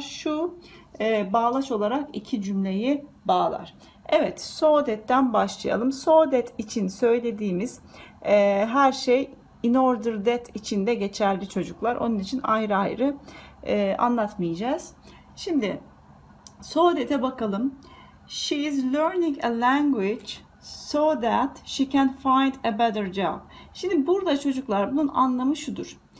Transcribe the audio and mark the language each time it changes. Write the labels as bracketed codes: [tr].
[tr] Şu bağlaç olarak iki cümleyi bağlar. Evet, so that'ten başlayalım. So that için söylediğimiz her şey in order that için de geçerli çocuklar. Onun için ayrı ayrı anlatmayacağız. Şimdi so that'e bakalım. [en] She is learning a language so that she can find a better job. [tr] Şimdi burada çocuklar bunun anlamı şudur.